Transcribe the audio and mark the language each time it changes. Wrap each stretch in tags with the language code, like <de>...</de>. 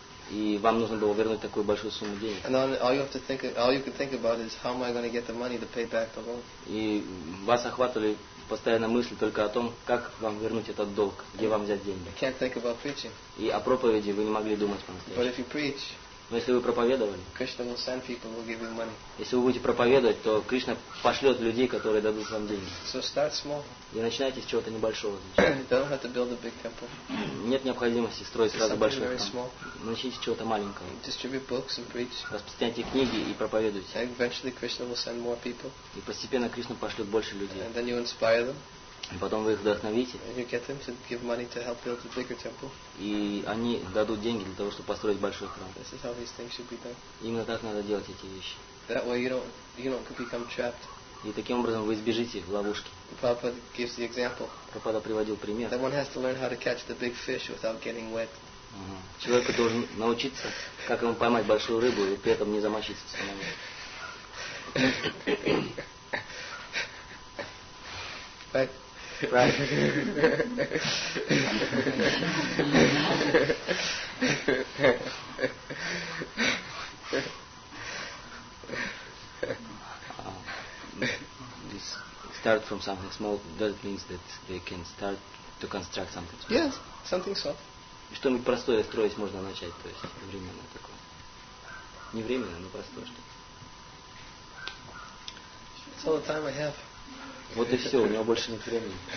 <ru>И вам нужно было вернуть такую большую сумму денег.</ru> <en>And all you have to think, all you can think about is how am I going to get the money to pay back the loan.</en> <ru>И вас охватывали постоянно мысли только о том, как вам вернуть этот долг, где вам взять деньги.</ru> <en>I can't think about preaching.</en> <ru>И о проповеди вы не могли думать по-настоящему.</ru> <en>But if you preach.</en> <ru>Но если вы проповедовали,</ru> <en>Krishna will send people, will give you money.</en> <ru>Если вы будете проповедовать, то Кришна пошлет людей, которые дадут вам деньги.</ru> <en>So start small.</en> <ru>И начинайте с чего-то небольшого.</ru> <en>Don't have to build a big temple.</en> <ru>Нет необходимости строить сразу большой храм.</ru> <en>Something very small.</en> <ru>Начните с чего-то маленького.</ru> <en>Distribute books and preach.</en> <ru>Распространяйте книги и проповедуйте.</ru> <en>And eventually Krishna will send more people.</en> <ru>И постепенно Кришна пошлет больше людей.</ru> <en>And then you inspire them.</en> <ru>И потом вы их вдохновите.</ru> <en>And you get them to give money to help build a bigger temple.</en> <ru>И они дадут деньги для того, чтобы построить большой храм.</ru> <en>This is how these things should be done.</en> <ru>Именно так надо делать эти вещи.</ru> <en>That way you don't become trapped.</en> <ru>И таким образом вы избежите ловушки.</ru> <en>Prabhupada gives the example.</en> <ru>Прабхупада приводил пример.</ru> <en>That one has to learn how to catch the big fish without getting wet.</en> <ru>Человек должен научиться, как ему поймать большую рыбу и при этом не замочиться самому.</ru> <en>Right. This start from something small doesn't mean that they can start to construct something small. Yes, something soft.</en> <ru>Что-нибудь простое строить можно начать, то есть временное такое. Не временное, но простое что-то.</ru> <en>That's all the time I have.</en> <ru>Вот и все, у него больше нет времени.</ru>